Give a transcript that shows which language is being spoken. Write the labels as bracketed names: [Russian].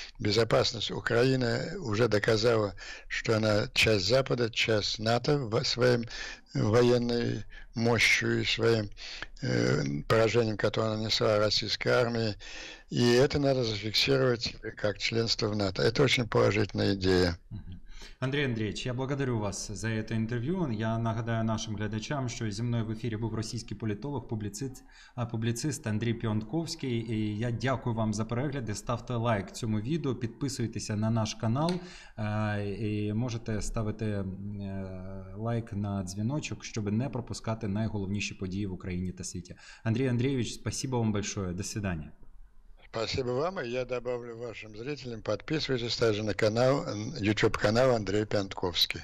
[Russian] Безопасность Украины уже доказала, что она часть Запада, часть НАТО своим военной мощью и своим поражением, которое она нанесла российской армии. И это надо зафиксировать как членство в НАТО. Это очень положительная идея. Андрей Андреевич, я благодарю вас за это интервью. [Ukrainian] Я нагадаю нашим глядачам, что зі мною в ефірі був російський політолог, публіцист Андрій Піонтковський. І я дякую вам за перегляди. Ставте лайк цьому відео, підписуйтеся на наш канал і можете ставити лайк на дзвіночок, щоб не пропускати найголовніші події в Україні та світі. [Russian] Андрій Андрійович, спасибо вам большое. До свидання. Спасибо вам, и я добавлю вашим зрителям, подписывайтесь также на канал, YouTube-канал Андрей Пиантковский.